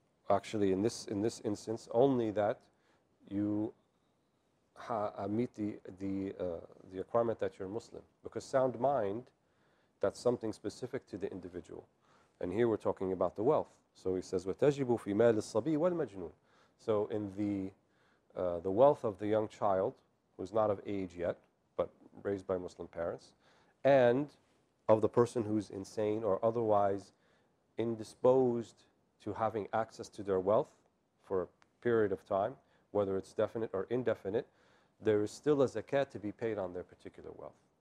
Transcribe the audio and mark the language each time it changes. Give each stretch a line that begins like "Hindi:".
English: Actually, in this instance, only that you meet the requirement that you're Muslim, because sound mind, that's something specific to the individual, and here we're talking about the wealth. So he says,
Arabic: "وَتَجِبُ فِي مَالِ الصَّبِيِّ وَالْمَجْنُونِ."
English: So in the wealth of the young child who's not of age yet, but raised by Muslim parents, and of the person who's insane or otherwise indisposed to having access to their wealth for a period of time, whether it's definite or indefinite, there is still a zakat to be paid on their particular wealth.